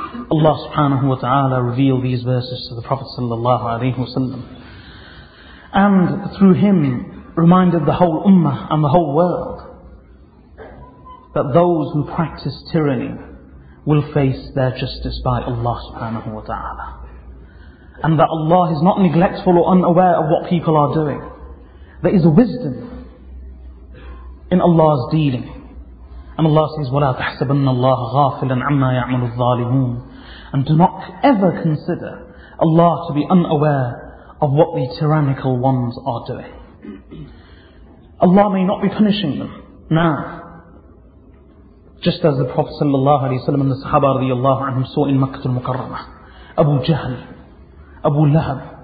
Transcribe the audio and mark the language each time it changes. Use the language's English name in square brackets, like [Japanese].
[English] Allah subhanahu wa ta'ala revealed these verses to the Prophet sallallahu alayhi wa sallam, and through him reminded the whole ummah and the whole world that those who practice tyranny will face their justice by Allah subhanahu wa ta'ala, and that Allah is not neglectful or unaware of what people are doing. There is a wisdom in Allah's dealing. And Allah says, [Arabic] وَلَا تَحْسَبَنَّ اللَّهَ غَافِلًا عَمَّا يَعْمَلُ الظَّالِمُونَ. [English] And do not ever consider Allah to be unaware of what the tyrannical ones are doing. Allah may not be punishing them now, just as the Prophet sallallahu alayhi wa sallam and the Sahaba radiallahu anhu saw in Makkah al-Mukarramah, Abu Jahl, Abu Lahab,